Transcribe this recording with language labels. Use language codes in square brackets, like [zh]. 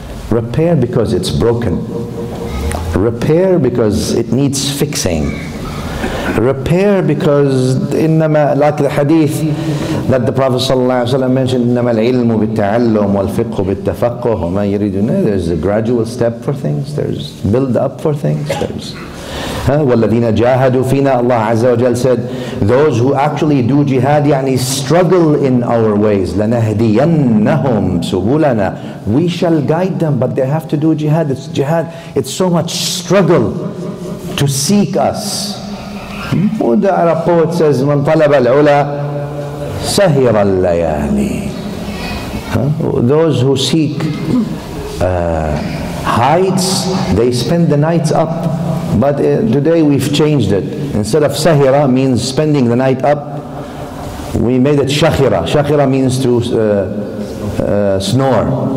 [en] Repair because it's broken. Repair because it needs fixing. Repair because innama, like the hadith that the Prophet sallallahu alaihi wasallam mentioned, [ar] innama al-ilmu bit-ta'allum wal-fiqhu bit-tafaqquh. [en] Ma yiridu, there's a gradual step for things. There's build up for things. There's [ar] وَالَّذِينَ جَاهَدُوا فِينَا. [en] Allah Azza wa Jal said, those who actually do jihad, yani struggle in our ways, [ar] لَنَهْدِيَنَّهُمْ سُبُولَنَا. [en] We shall guide them, but they have to do jihad. It's jihad, it's so much struggle to seek us. The Arab poet says, [ar] مَنْ طَلَبَ الْعُلَى سَهِرَ الْلَيَالِي. [en] Those who seek heights, they spend the nights up. But today we've changed it. Instead of sahira means spending the night up, we made it shakhira. Shakhira means to snore.